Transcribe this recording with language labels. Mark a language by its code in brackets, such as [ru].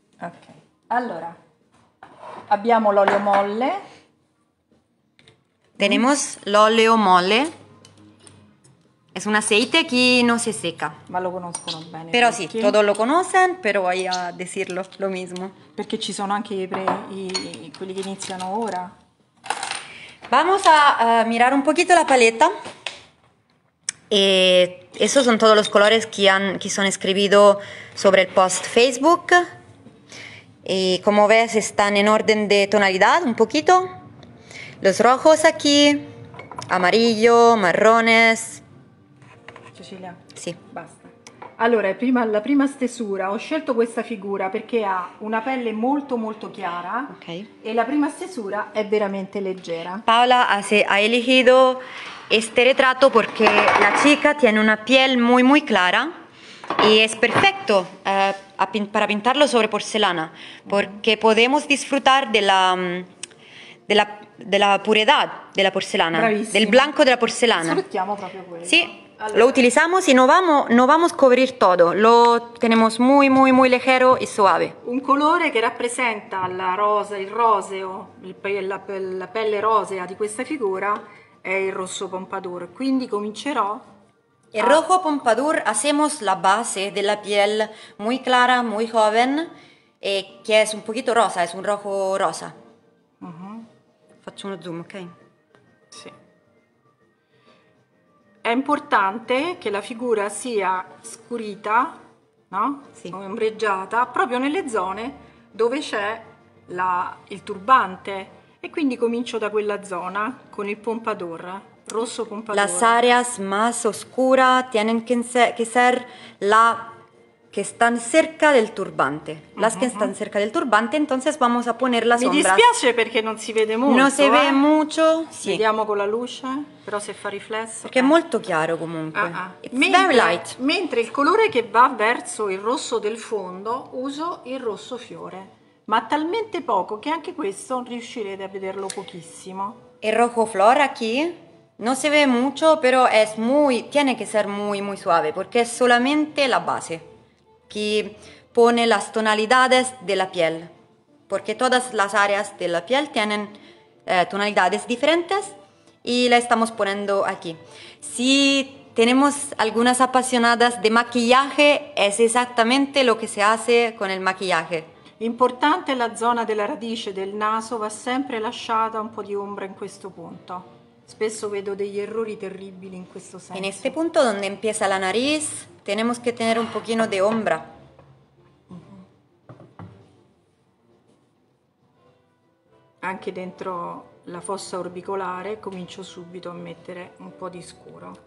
[it] Ok. Allora, abbiamo l'olio molle. [es] Tenemos l'olio molle. Es un aceite que no se seca. [it] Ma lo conoscono bene. [es] Pero sí, todos lo conocen, pero voy a decirlo lo mismo. [it] Porque ci sono anche quelli che iniziano ora. [es] Vamos a mirar un poquito la paleta. Esos son todos los colores que son escribidos sobre el post Facebook. Y como ves, están en orden de tonalidad un poquito. Los rojos aquí, amarillo, marrones. Cecilia? [it] Sì. Basta. Allora, la prima stesura, ho scelto questa figura perché ha una pelle molto molto chiara. Okay. E la prima stesura è veramente leggera. [es] Paola ha elegido este retrato perché la chica tiene una piel muy muy clara y es perfecto para pintarlo sobre porcelana porque podemos disfrutar de la puridad de la porcelana. [it] Bravissima. Del blanco della porcellana. Sfruttiamo proprio quello. Sì. Allora. [es] Lo utilizamos y no vamos a cubrir todo. Lo tenemos muy muy muy ligero y suave. [it] Un colore che rappresenta la rosa, il roseo, la pelle rosea di questa figura è il rosso pompadour. Quindi comincerò [es] El rojo pompadour hacemos la base de la piel muy clara, muy joven, que es un poquito rosa, es un rojo rosa. [it] Uh-huh. Faccio uno zoom, ok? Sì. È importante che la figura sia scurita, no? Sì. O ombreggiata, proprio nelle zone dove c'è il turbante. E quindi comincio da quella zona con il pompadour. Rosso pompadour. [es] Las áreas más oscuras tienen que ser que están cerca del turbante. Las que están cerca del turbante, entonces vamos a poner las sombras. [it] Mi dispiace perché non si vede molto. [es] No se ve mucho. Sì. [it] Vediamo con la luce, però se fa riflesso. Perché è molto chiaro comunque. [en] It's very light. [it] Mentre il colore che va verso il rosso del fondo, uso il rosso fiore. Ma talmente poco che anche questo riuscirete a vederlo pochissimo. [es] Il rojo flor aquí. No se ve mucho, pero es muy, tiene que ser muy, muy suave, porque es solamente la base que pone las tonalidades de la piel. Porque todas las áreas de la piel tienen tonalidades diferentes y la estamos poniendo aquí. Si tenemos algunas apasionadas de maquillaje, es exactamente lo que se hace con el maquillaje. [it] Importante la zona de la radice del naso, va siempre lasciata un po' di ombra en questo punto. Spesso vedo degli errori terribili in questo senso. [es] En este punto donde empieza la nariz, tenemos que tener un pochino de ombra. [it] Anche dentro la fossa orbicolare comincio subito a mettere un po' di scuro.